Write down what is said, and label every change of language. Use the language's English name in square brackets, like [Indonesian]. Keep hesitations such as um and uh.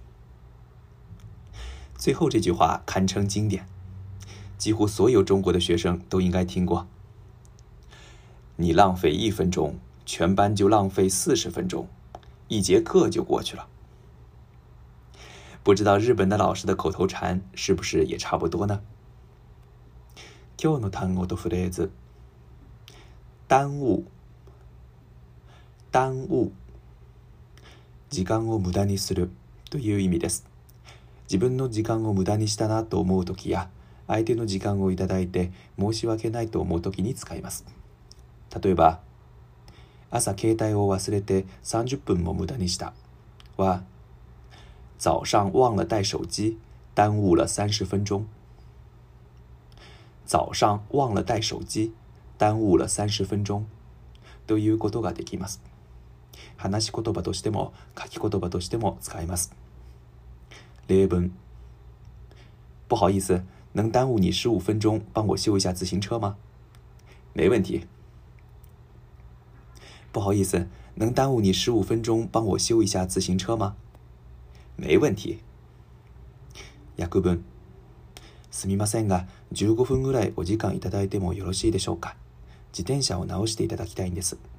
[Chinese] ”最后这句话堪称经典，几乎所有中国的学生都应该听过。你浪费一分钟，全班就浪费四十分钟。一节课就不知道日本の。老师的口头禅是不是也差不多呢？ [Japanese] 今日の単語とフレーズ。耽误，耽误，時間を無駄にするという意味です。自分の時間を無駄にしたなと思う時や、相手の時間をいただいて申し訳ないと思う時に使います。例えば。朝携帯を忘れて三十分も無駄にした。 [Chinese] は、早上忘了带手机，耽误了三十分钟。早上忘了带手机，耽误了三十分钟。 [Japanese] どいうことかできます。話し言葉としても書き言葉としても使います。例文。 [Chinese] 不好意思，能耽误你十五分钟帮我修一下自行车吗？没问题。不好意思，能耽误你十五分钟帮我修一下自行车吗？没问题。 [Japanese] 約分。すみませんが、15分ぐらいお時間いただいてもよろしいでしょうか。自転車を直していただきたいんです。